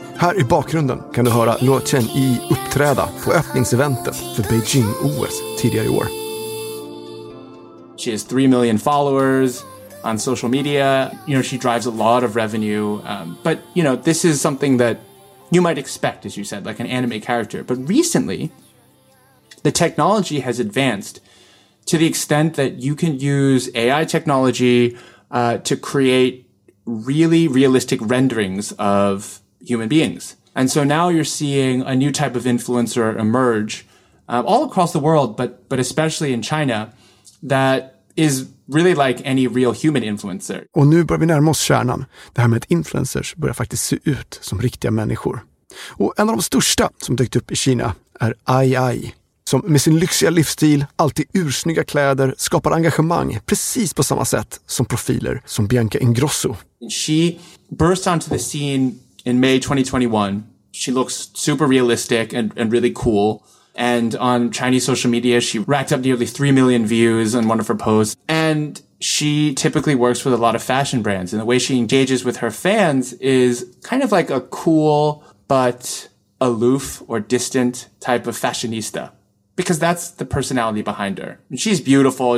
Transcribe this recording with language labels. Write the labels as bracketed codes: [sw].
[sv] Här i bakgrunden kan du höra Luo Tianyi uppträda på öppningseventet för Beijing OS tidigare i år. [en] She has 3 million followers on social media. You know, she drives a lot of revenue. But, you know, this is something that you might expect, as you said, like an anime character. But recently, the technology has advanced to the extent that you can use AI technology to create really realistic renderings of human beings. And so now you're seeing a new type of influencer emerge all across the world, but especially in China, that is really like any real human influencer. [sv] Och nu börjar vi närma oss kärnan. Det här med att influencers börjar faktiskt se ut som riktiga människor. Och en av de största som dykt upp i Kina är Ai Ai, som med sin lyxiga livsstil, alltid ursnygga kläder, skapar engagemang precis på samma sätt som profiler som Bianca Ingrosso. [en] She burst onto the scene in May 2021. She looks super realistic and really cool. And on Chinese social media, she racked up nearly 3 million views on one of her posts. And she typically works with a lot of fashion brands. And the way she engages with her fans is kind of like a cool but aloof or distant type of fashionista, because that's the personality behind her. She's beautiful.